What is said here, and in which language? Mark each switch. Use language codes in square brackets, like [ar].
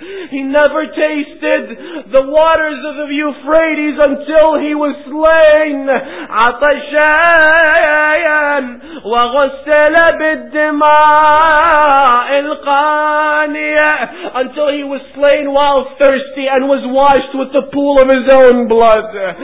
[en] He never tasted the waters of the Euphrates until he was slain. [ar] عطشان وغسل بالدماء القانية. [en] Until he was slain while thirsty and was washed with the pool of his own blood.